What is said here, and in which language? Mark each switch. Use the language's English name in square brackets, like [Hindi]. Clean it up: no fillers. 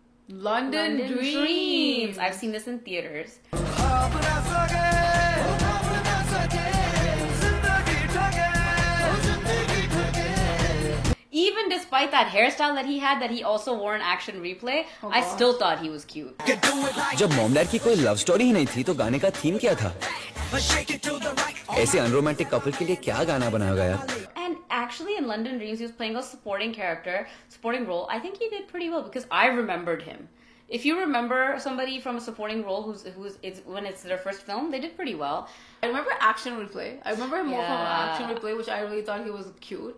[English] London Dreams. I've seen this in theaters. Even despite that hairstyle that he had, that he also wore in Action Replay, I still thought he was cute. [Hindi] जब मोमडैड की कोई love story ही नहीं थी, तो गाने का theme क्या था? ऐसे unromantic couple के लिए क्या गाना बनाया गया? [English] And actually, in London Dreams, he was playing a supporting character, supporting role. I think he did pretty well because I remembered him. If you remember somebody from a supporting role who's when it's their first film, they did pretty well. I remember Action Replay. I remember him more from Action Replay, which I really thought he was cute.